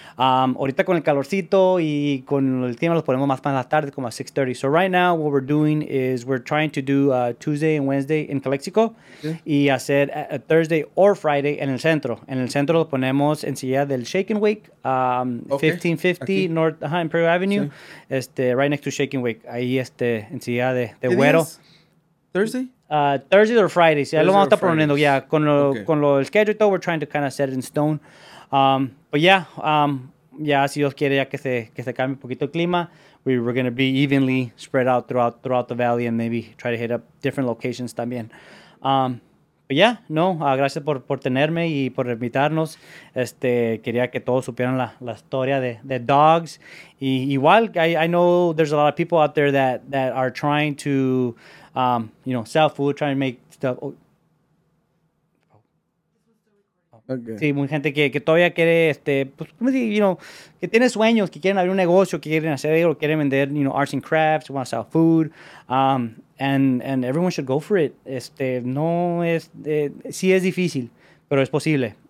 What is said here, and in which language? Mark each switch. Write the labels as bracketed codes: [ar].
[es] Ahorita con el calorcito y con el tiempo los ponemos más para la tarde, como a 6:30. [en] So right now what we're doing is we're trying to do Tuesday and Wednesday in Calexico okay. [es] y hacer [en] a Thursday or Friday [es] en el centro. En el centro lo ponemos en silla del Shake and Wake, okay. 1550 aquí. North Imperial Avenue, sí. [en] Right next to Shake and Wake, [es] ahí en silla de güero. [en] Thursday? Thursday or Friday. [es] Sí, lo vamos a estar poniendo, [en] yeah. Con lo el schedule, though, we're trying to kind of set it in stone. Yeah, [es] si Dios quiere, ya que se cambie un poquito el clima, [en] we're going to be evenly spread out throughout the valley and maybe try to hit up different locations también. [es] Gracias por tenerme y por invitarnos. Quería que todos supieran la historia de Dawgz. Y igual, [en] I know there's a lot of people out there that are trying to you know, sell food, trying to make stuff. Okay. [es] Sí, mucha gente que todavía quiere, pues, ¿cómo decir? You know, que tiene sueños, que quieren abrir un negocio, que quieren hacer algo, quieren vender, you know, [en] arts and crafts, want to sell food. And everyone should go for it. [es] Sí es difícil, pero es posible.